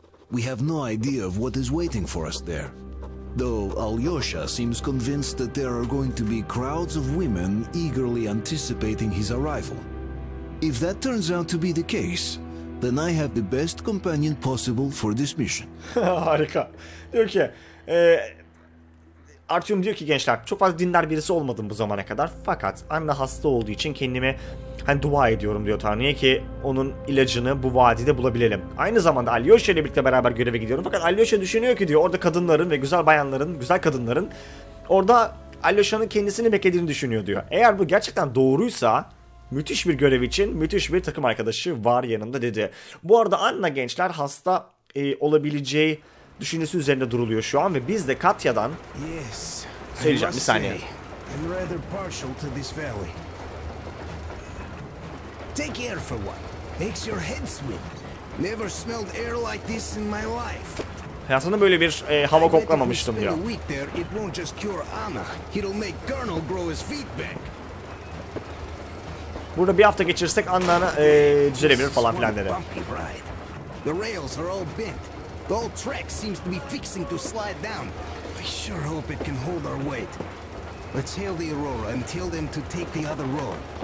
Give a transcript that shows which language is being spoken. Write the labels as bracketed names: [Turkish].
[English] We have no idea of what is waiting for us there. Though Alyosha seems convinced that there are going to be crowds of women eagerly anticipating his arrival. If that turns out to be the case, then I have the best companion possible for this mission. [Turkish] Harika. Diyor ki, Artyom diyor ki gençler, çok fazla dinler birisi olmadım bu zamana kadar. Fakat anne hasta olduğu için kendime hani dua ediyorum diyor Tanrı'ya ki onun ilacını bu vadide bulabilelim. Aynı zamanda Alyosha ile birlikte beraber göreve gidiyorum. Fakat Alyosha düşünüyor ki diyor orada kadınların ve güzel bayanların, güzel kadınların orada Alyosha'nın kendisini beklediğini düşünüyor diyor. Eğer bu gerçekten doğruysa müthiş bir görev için müthiş bir takım arkadaşı var yanımda dedi. Bu arada Anna gençler hasta olabileceği düşüncesi üzerinde duruluyor şu an ve biz de Katya'dan söyleyeceğim bir saniye. [English] I'm rather partial to this valley. Take air for one. Makes your head swim. Never smelled air like this in my life. [Turkish] Hayatında böyle bir hava koklamamıştım diyor. [English] Week there, it won't just cure Anna. It'll make Colonel grow his feet back. [Turkish] Burada bir hafta geçirsek Anna'nı düzelebilir falan filan dedi. [English] The rails are all bent. The whole track seems to be fixing to slide down. I sure hope it can hold our weight. Let's hail the Aurora and tell them to take the other road.